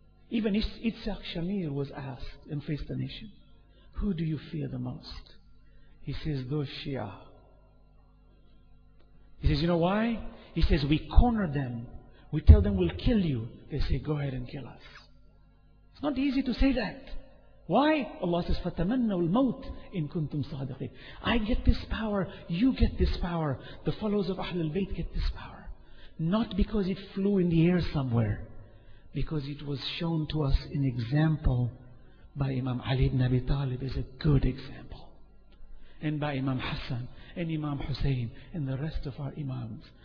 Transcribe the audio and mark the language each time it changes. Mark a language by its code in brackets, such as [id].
[en] Even Itzhak Shamir was asked and faced the nation, who do you fear the most? He says, those Shia. He says, you know why? He says, we corner them. We tell them we'll kill you. They say, go ahead and kill us. It's not easy to say that. Why? Allah says, [ar] فَتَمَنَّوا الْمَوْتِ إِن كُنْتُمْ صَادِقِينَ. [en] I get this power, you get this power, the followers of Ahlul Bayt get this power. Not because it flew in the air somewhere, because it was shown to us in example by Imam Ali ibn Abi Talib as a good example. And by Imam Hassan and Imam Hussein and the rest of our Imams.